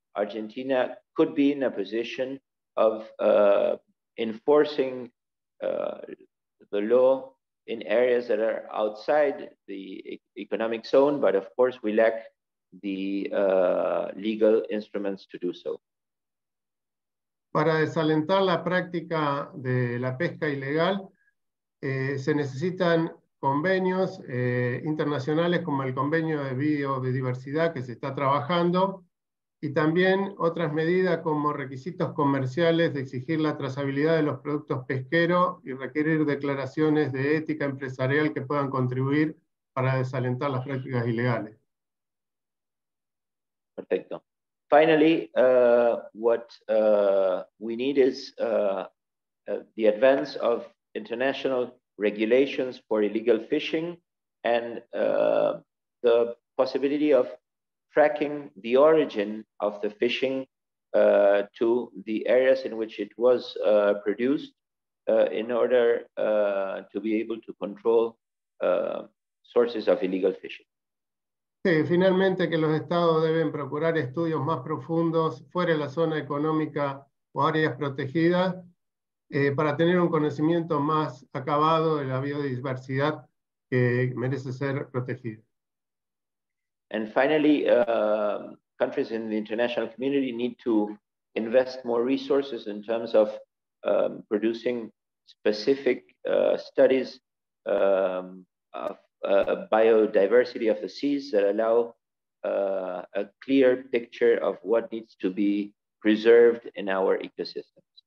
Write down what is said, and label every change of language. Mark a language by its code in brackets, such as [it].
[en] Argentina could be in a position of enforcing the law in areas that are outside the economic zone, but of course we lack the legal instruments to do so. [es] Para desalentar la práctica de la pesca ilegal, se necesitan convenios internacionales como el convenio de biodiversidad que se está trabajando, y también otras medidas como requisitos comerciales de exigir la trazabilidad de los productos pesqueros y requerir declaraciones de ética empresarial que puedan contribuir para desalentar las prácticas ilegales. Perfecto. [en] Finally, what we need is the advance of international regulations for illegal fishing and the possibility of tracking the origin of the fishing to the areas in which it was produced in order to be able to control sources of illegal fishing. [es] Sí, finalmente que los estados deben procurar estudios más profundos fuera de la zona económica o áreas protegidas para tener un conocimiento más acabado de la biodiversidad que merece ser protegida. [en] And finally, countries in the international community need to invest more resources in terms of producing specific studies of biodiversity of the seas that allow a clear picture of what needs to be preserved in our ecosystems.